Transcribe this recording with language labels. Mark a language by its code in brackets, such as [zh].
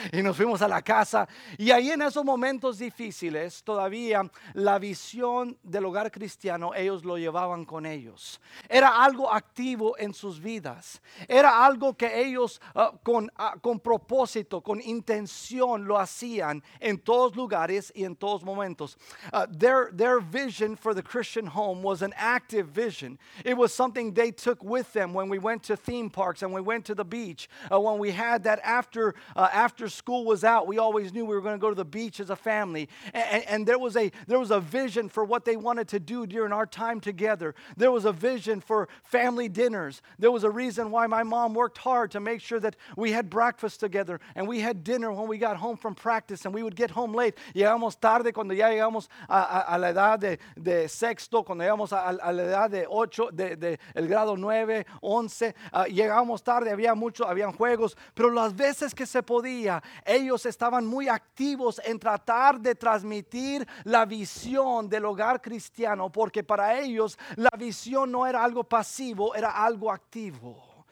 [es] Y nos fuimos a la casa. Y ahí en esos momentos difíciles, todavía la visión del hogar cristiano, ellos lo llevaban con ellos. Era algo activo en sus vidas. Era algo que ellos con propósito, con intención lo hacían en todos lugares y en todos momentos. [en] Their vision for the Christian home was an active vision. It was something they took with them when we went to theme parks and we went to the beach. When we had that after school was out, we always knew we were going to go to the beach as a family. And there was a vision for what they wanted to do during our time together. There was a vision for family dinners. There was a reason why my mom worked hard to make sure that we had breakfast together and we had dinner when we got home from practice and we would get home late. [es] Llegamos tarde cuando ya llegamos a la edad de sexto, cuando llegamos a la edad de 8, el grado 9, 11, llegamos tarde, habían juegos, pero las veces que se podía, ellos estaban muy activos en tratar de transmitir la visión del hogar cristiano, porque para ellos la visión no era algo pasivo, era algo activo.